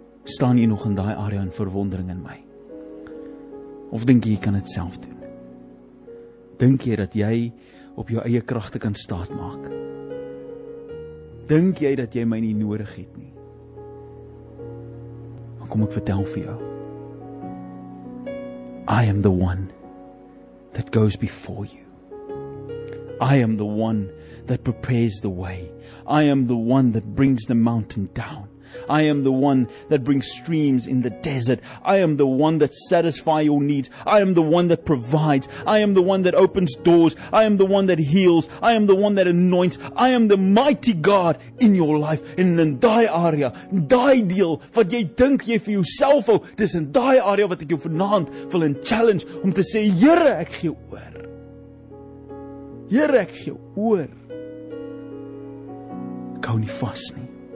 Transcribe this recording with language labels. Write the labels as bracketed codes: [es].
[af] Staan jy nog in daai area in verwondering in my? Of dink jy kan dit self doen? Dink jy dat jy op jou eie kragte kan staat maak? Dink jy dat jy my nie nodig het nie? Dan kom ek vertel vir jou. [en] I am the one that goes before you. I am the one that prepares the way. I am the one that brings the mountain down. I am the one that brings streams in the desert. I am the one that satisfies your needs. I am the one that provides. I am the one that opens doors. I am the one that heals. I am the one that anoints. I am the mighty God in your life. [af] And in die area, die deal, wat jy dink jy vir jouself hou, dis in die area wat ek jou vanaand wil in challenge om te sê, Here, ek gee oor. Here, ek gee oor. Ek hou nie vas nie.